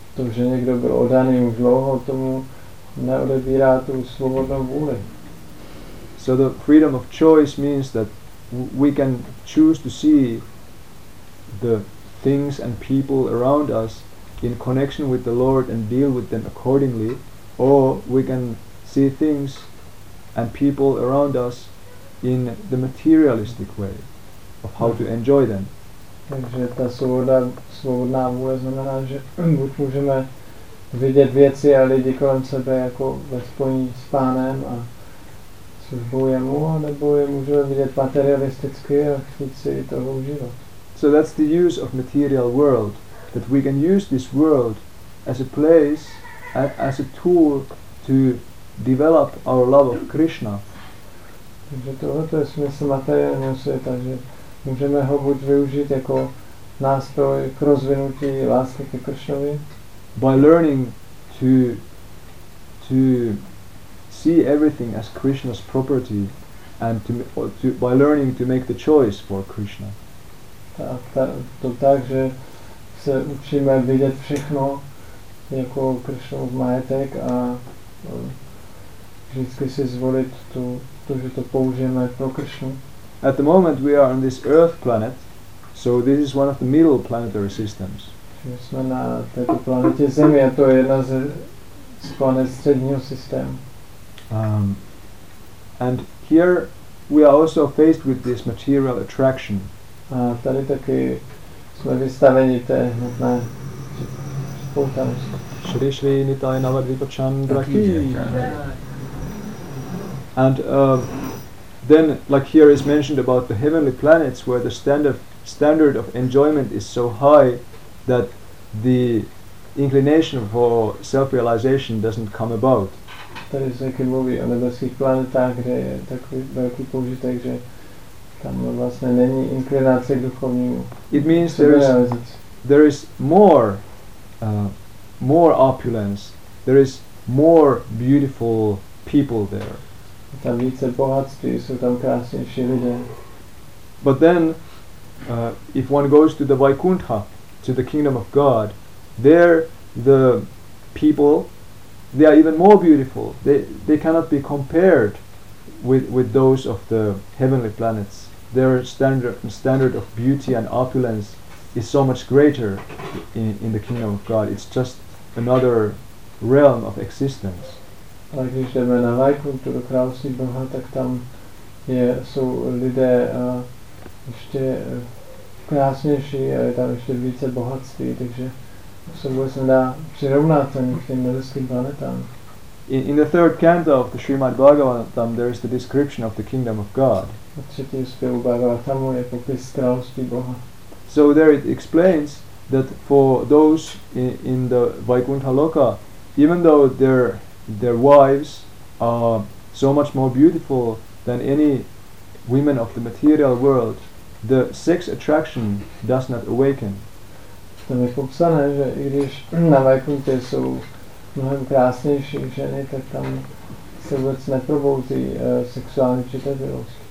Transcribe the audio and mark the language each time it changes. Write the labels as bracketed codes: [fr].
[cs] To, že někdo byl oddaný už dlouho, tomu neodebírá tu svobodnou vůli. [en] So the freedom of choice means that we can choose to see the things and people around us in connection with the Lord and deal with them accordingly, or we can see things and people around us in the materialistic way of how to enjoy them. [cs] Takže ta svobodná vůle znamená, že buď můžeme vidět věci a lidi kolem sebe jako ve spojení s Pánem a službou jemu, nebo je můžeme vidět materialisticky a chtít si toho užívat. [en] So that's the use of material world, that we can use this world as a place, as a tool to develop our love of Krishna. [cs] Takže tohoto je smysl materiálního světa, že můžeme ho buď využít jako nástroj k rozvinutí lásky ke Kršovi. [en] By learning to see everything as Krishna's property and by learning to make the choice for Krishna. [cs] Tak, že se učíme vidět všechno jako Krishnův majetek a vždycky si zvolit to, že to použijeme pro Krishnu. [en] At the moment we are on this Earth planet, so this is one of the middle planetary systems. [cs] My jsme na této planetě Zemi a to je jedna z planet středního systému. [en] And here we are also faced with this material attraction. [cs] A tady taky jsme vystaveni té hmotné spoutanosti. [sa] Shri Shri Nitai Navadvipa Chandra Ki. [en] And then, like here is mentioned about the heavenly planets, where the standard of enjoyment is so high that the inclination for self-realization doesn't come about. [cs] Tady se taky mluví o nebeských planetách, kde je takový velký použitek, že tam vlastně není inklinace k duchovnímu. [en] It means there is more opulence, there is more beautiful people there. [cs] Tam více bohatství, jsou tam krásnější lidé. [en] But then, if one goes to the Vaikuntha, to the kingdom of God, there the people, they are even more beautiful. They cannot be compared with those of the heavenly planets. Their standard of beauty and opulence is so much greater in the kingdom of God. It's just another realm of existence. [cs] Ale když jdeme na Vaikuntu, do království Boha, tak tam jsou lidé ještě krásnější a je tam ještě více bohatství, takže se vůbec nedá přirovnat ani k těm nebeským planetám. [en] In the third canto of the Srimad Bhagavatam there is the description of the kingdom of God. [cs] A třetí zpěvu Bhagavatamu je popis království Boha. [en] So there it explains that for those in the Vaikuntha Loka, even though their wives are so much more beautiful than any women of the material world, the sex attraction does not awaken. [cs] Tam je popsané, že i když na Vaikuntě jsou mnohem krásnější ženy, tak tam se vůbec neprobouzí sexuální přitažlivost.